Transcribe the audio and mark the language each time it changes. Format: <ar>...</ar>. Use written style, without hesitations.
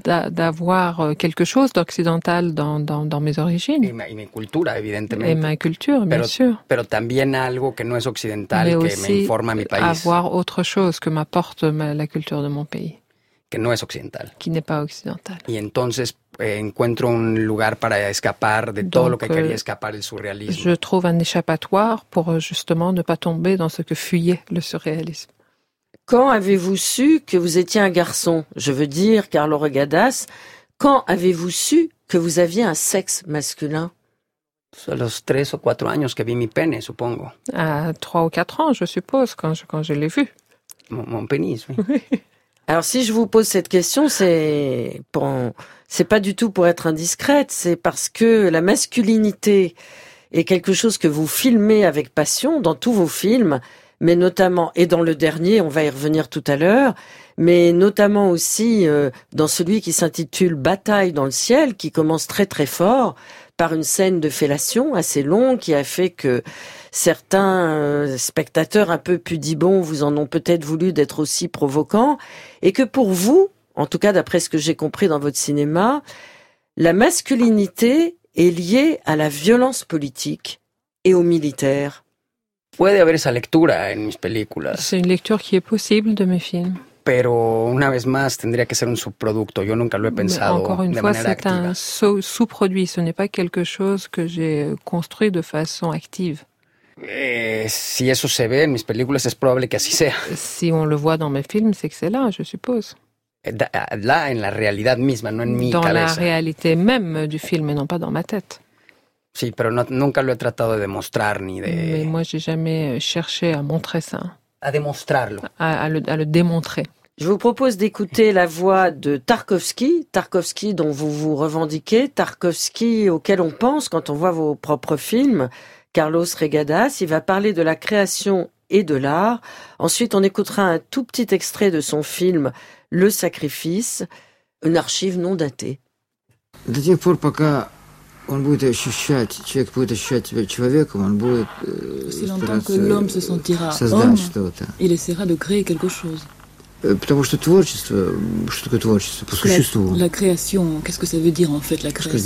<fr>D'avoir quelque chose d'occidental dans mes origines.</fr> <es>Y mi cultura, evidentemente.</es> <fr>Et ma culture, bien sûr.</fr> <es>Pero también algo que no es occidental,</es> <fr>mais</fr> <es>que me informa mi país.</es> <fr>Avoir autre chose que m'apporte la culture de mon pays.</fr> <es>Que no es occidental.</es> <fr>Qui n'est pas occidental.</fr> <es>Y entonces encuentro un lugar para escapar de</es> <fr>donc,</fr> <es>todo lo que quería escapar el surrealismo.</es> <fr>Je trouve un échappatoire pour justement ne pas tomber dans ce que fuyait le surréalisme. Quand avez-vous su que vous étiez un garçon? Je veux dire, Carlo Regadas, quand avez-vous su que vous aviez un sexe masculin? A los 3 o 4 años que vi mi pene, supongo. À 3 ou 4 ans, je suppose, quand je l'ai vu. Mon pénis, oui. Alors si je vous pose cette question, c'est pas du tout pour être indiscrète, c'est parce que la masculinité est quelque chose que vous filmez avec passion dans tous vos films, mais notamment, et dans le dernier, on va y revenir tout à l'heure, mais notamment aussi dans celui qui s'intitule « Bataille dans le ciel », qui commence très très fort par une scène de fellation assez longue qui a fait que certains spectateurs un peu pudibonds vous en ont peut-être voulu d'être aussi provocants, et que pour vous, en tout cas d'après ce que j'ai compris dans votre cinéma, la masculinité est liée à la violence politique et aux militaires.</fr> <es>Puede haber esa lectura en mis películas.</es> <fr>C'est une lecture qui est possible de mes films.</fr> <es>Pero una vez más tendría que ser un subproducto. Yo nunca lo he pensado de manera activa.</es> <fr>Encore une fois, c'est un sous-produit. Ce n'est pas quelque chose que j'ai construit de façon active.</fr> <es>Si eso se ve en mis películas, es probable que así sea.</es> <fr>Si on le voit dans mes films, c'est que c'est là, je suppose.</fr> <es>Là, en la realidad misma, no en mi cabeza.</es> <fr>Dans la réalité même du film, et non pas dans ma tête.</fr> <es>Sí, pero no, nunca lo he tratado de demostrar ni de.</es> <fr>Mais moi, j'ai jamais cherché à montrer ça.</fr> <es>À démontrarlo.</es> <fr>À le démontrer. Je vous propose d'écouter la voix de Tarkovsky dont vous vous revendiquez, Tarkovsky auquel on pense quand on voit vos propres films, Carlos Regadas. Il va parler de la création et de l'art. Ensuite, on écoutera un tout petit extrait de son film Le Sacrifice, une archive non datée.</fr> <ru>До тех пор, пока он будет ощущать, человек будет ощущать себя человеком, он будет создать что-то.</ru> <fr>Il essaiera de créer quelque chose.</fr> <ru>Потому что творчество, что такое творчество по существу?</ru> <fr>La création, qu'est-ce que ça veut dire en fait la création?</fr>